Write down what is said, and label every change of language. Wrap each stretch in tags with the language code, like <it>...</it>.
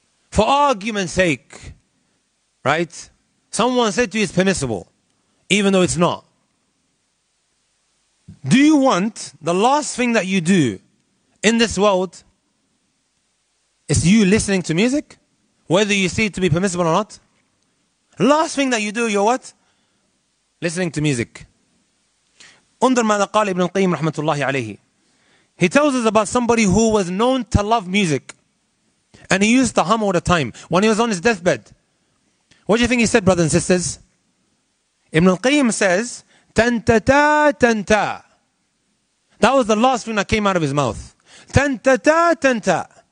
<en>For argument's sake, right? Someone said to you it's permissible, even though it's not. Do you want the last thing that you do in this world? It's you listening to music, whether you see it to be permissible or not. Last thing that you do, you're what? Listening to music. Under</en> <ar>ماذا قال ابن القيم رحمة الله عليه.</ar> <en>He tells us about somebody who was known to love music. And he used to hum all the time when he was on his deathbed. What do you think he said, brothers and sisters? Ibn al-Qayyim says, tantata tanta. That was the last thing that came out of his mouth. Tantata tanta.</en>